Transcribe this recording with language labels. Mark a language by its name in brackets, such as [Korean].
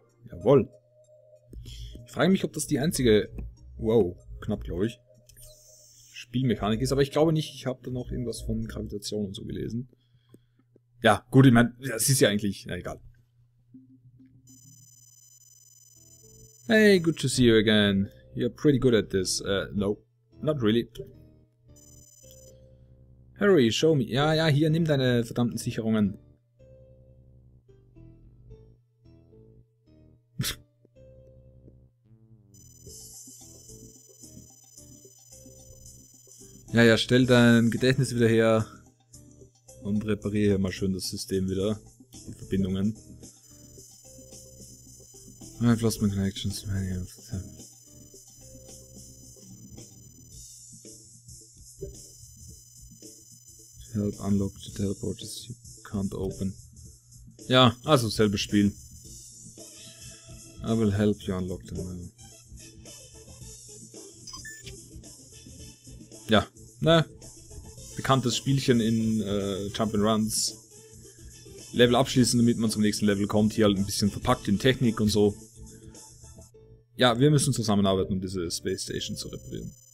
[German] Jawohl. Ich frage mich, ob das die einzige... Wow, knapp, glaube ich. Spielmechanik ist, aber ich glaube nicht, ich habe da noch irgendwas von Gravitation und so gelesen. Ja, gut, ich meine, es ist ja eigentlich, na egal. [English] Hey, good to see you again. You're pretty good at this. No, not really. Harry, show me. [German] Ja, ja, hier, nimm deine verdammten Sicherungen. Ja, ja, stell dein Gedächtnis wieder her und repariere mal schön das System wieder, die Verbindungen. [English] I've lost my connections to many of them. Help unlock the teleporters you can't open. [German] Ja, also selbes Spiel. [English] I will help you unlock them. [German] Ja. Ne, bekanntes Spielchen in Jump'n'Runs. Level abschließen, damit man zum nächsten Level kommt. Hier halt ein bisschen verpackt in Technik und so. Ja, wir müssen zusammenarbeiten, um diese Space Station zu reparieren.